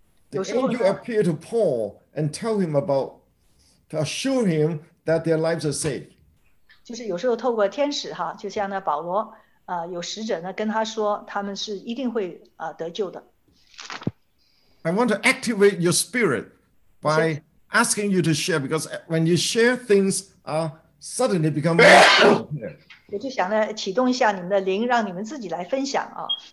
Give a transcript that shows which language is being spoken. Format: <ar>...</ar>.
<en>The angel appeared to Paul and tell him about, to assure him that their lives are safe.</en> <zh>就是有时候透过天使，就像保罗，有使者跟他说，他们是一定会得救的。</zh> <en>I want to activate your spirit by asking you to share, because when you share, things suddenly become more clear.</en> <zh>我就想呢，启动一下你们的灵，让你们自己来分享啊。</zh>